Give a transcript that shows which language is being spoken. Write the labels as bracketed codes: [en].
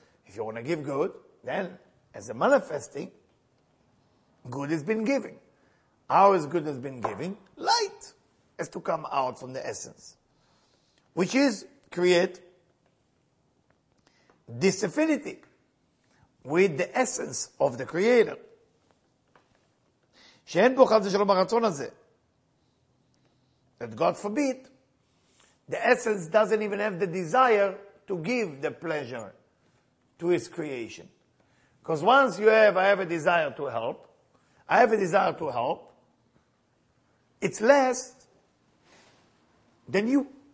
[en] If you want to give good, then as a manifesting, good has been given. How is good has been given? Light has to come out from the essence, which is create this affinity with the essence of the creator. [he] שאין בו חס ושלום הרצון הזה. [en] That God forbid, the essence doesn't even have the desire to give the pleasure to his creation. Because once you have, I have a desire to help, I have a desire to help, it's less than you.